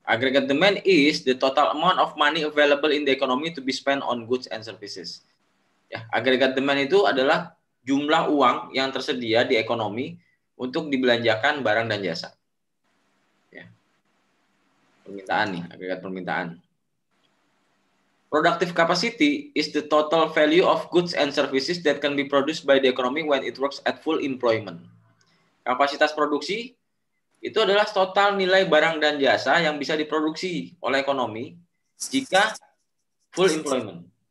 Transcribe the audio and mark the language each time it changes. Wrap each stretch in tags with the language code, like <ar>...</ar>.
<en>Aggregate demand is the total amount of money available in the economy to be spent on goods and services.</en> <id>Ya, aggregate demand itu adalah jumlah uang yang tersedia di ekonomi untuk dibelanjakan barang dan jasa. Ya. Permintaan nih, aggregate permintaan.</id> <en>Productive capacity is the total value of goods and services that can be produced by the economy when it works at full employment.</en> <id>Kapasitas produksi itu adalah total nilai barang dan jasa yang bisa diproduksi oleh ekonomi jika full employment.</id>